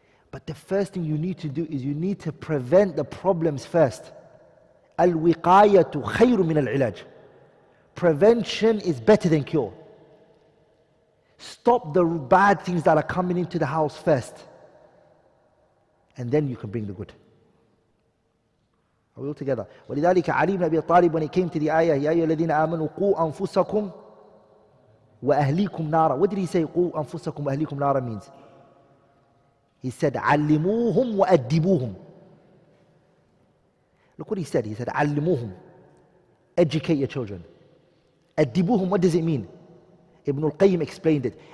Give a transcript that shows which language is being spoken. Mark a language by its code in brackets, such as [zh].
[en] But the first thing you need to do is you need to prevent the problems first. [ar] Al-wiqayatu khayru min al-ilaj. [en] Prevention is better than cure. Stop the bad things that are coming into the house first. And then you can bring the good. Are we all together? [ar] ولذلك علي بن أبي طالب, [en] when he came to the ayah, [ar] يا أيها الذين آمنوا قوا أنفسكم وأهليكم نارا. [en] What did he say [ar] قوا أنفسكم وأهليكم نارا [en] means? He said [ar] علموهم وأدبوهم. [en] Look what he said. He said علموهم. Educate your children. أدبوهم, what does it mean? Ibn al-Qayyim explained it.